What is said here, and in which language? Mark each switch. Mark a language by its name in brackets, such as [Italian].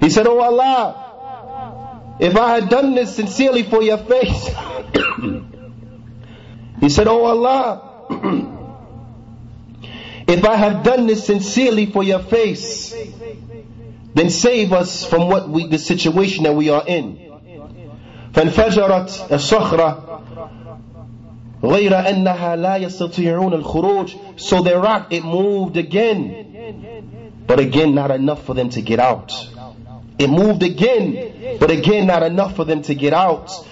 [English] He said, oh Allah, if I had done this sincerely for your face, he said, oh Allah, if I have done this sincerely for your face, then save us from what we, the situation that we are in. [Arabic] فانفجرت الصخرة غير أنها لا يستطيعون الخروج. [English] So the rock, it moved again, but again not enough for them to get out. It moved again, but again not enough for them to get out.